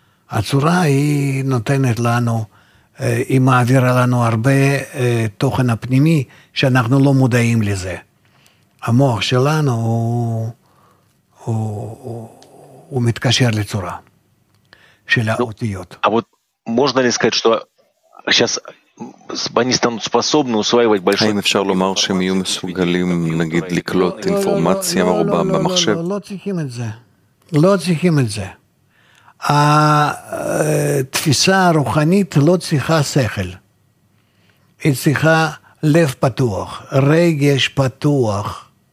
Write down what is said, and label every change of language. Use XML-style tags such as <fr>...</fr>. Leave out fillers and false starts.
<he>הצורה היא נותנת לנו, היא מעבירה לנו הרבה תוכן הפנימי, שאנחנו לא מודעים לזה. המוח שלנו הוא מתקשר לצורה של האותיות.</he> <ru>אבל можно ли сказать, что сейчас... они станут способны усваивать большой...</ru> <he>האם אפשר לומר שהם יהיו מסוגלים, נגיד, לקלוט אינפורמציה מרובה במחשב? לא צריכים את זה. לא צריכים את זה. התפיסה הרוחנית לא צריכה שכל. היא צריכה לב פתוח, רגש פתוח.</he>